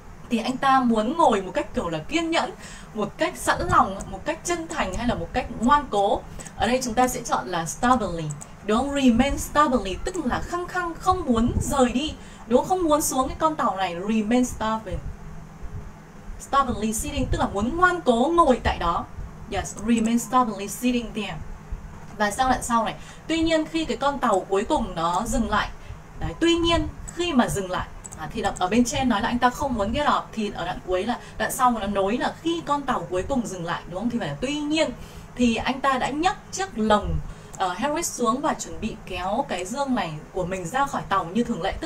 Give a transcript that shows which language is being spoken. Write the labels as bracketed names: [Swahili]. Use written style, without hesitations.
[Vietnamese] Thì anh ta muốn ngồi một cách kiểu là kiên nhẫn, một cách sẵn lòng, một cách chân thành hay là một cách ngoan cố. Ở đây chúng ta sẽ chọn là stubbornly. [English] Don't remain stubbornly, [Vietnamese] tức là khăng khăng không muốn rời đi, đúng không? Không muốn xuống cái con tàu này. [English] Remain stubborn, stubbornly sitting, [Vietnamese] tức là muốn ngoan cố ngồi tại đó. [English] Yes, remain stubbornly sitting there. [Vietnamese] Và sang đoạn sau này, tuy nhiên khi cái con tàu cuối cùng nó dừng lại, đấy, tuy nhiên khi mà dừng lại, thì ở bên trên nói là anh ta không muốn get off, thì ở đoạn cuối là, đoạn sau mà nó nối là khi con tàu cuối cùng dừng lại, đúng không? Thì phải là tuy nhiên, thì anh ta đã nhấc chiếc lồng Harry xuống và chuẩn bị kéo cái dương này của mình ra khỏi tàu như thường lệ.